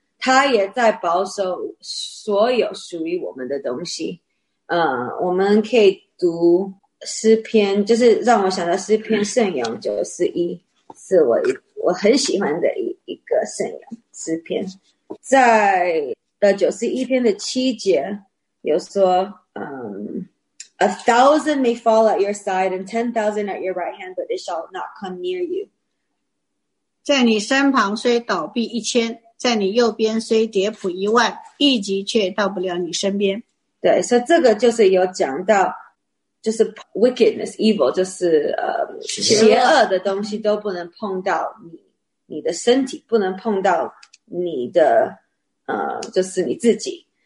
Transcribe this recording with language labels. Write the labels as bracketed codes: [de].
[zh] 他也在保守所有属于我们的东西。我们可以读诗篇，就是让我想到诗篇圣咏91是我很喜欢的一个圣咏诗篇，在到九十一篇的七节有说， [en] A thousand may fall at your side and 10,000 at your right hand, but it shall not come near you. [zh] 在你身旁虽倒闭一千，在你右边虽跌仆一万，一级却到不了你身边。对，所以这个就是有讲到，就是 [en] wickedness, evil, [zh] 就是邪恶的东西都不能碰到你，你的身体不能碰到你的，就是你自己。